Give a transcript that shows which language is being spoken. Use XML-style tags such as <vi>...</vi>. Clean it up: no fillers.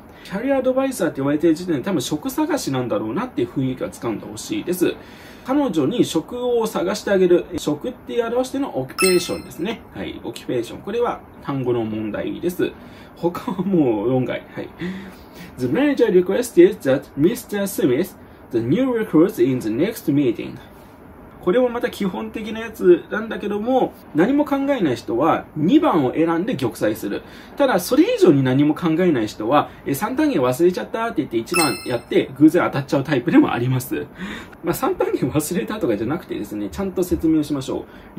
<ja>キャリアアドバイザーって言われてる時点で多分職探しなんだろうなっていう雰囲気がつかんでほしいです。彼女に職を探してあげる。職って表してのオキュペーションですね。はい。オキュペーション。これは単語の問題です。他はもう論外。はい。</ja> <en>The manager requested that Mr. Smith, the new recruit in the next meeting.</en> <ja>これもまた基本的なやつなんだけども、何も考えない人は2番を選んで玉砕する。ただ、それ以上に何も考えない人は、3単元忘れちゃったって言って1番やって偶然当たっちゃうタイプでもあります。まあ、3単元忘れたとかじゃなくてですね、ちゃんと説明をしましょう。</ja>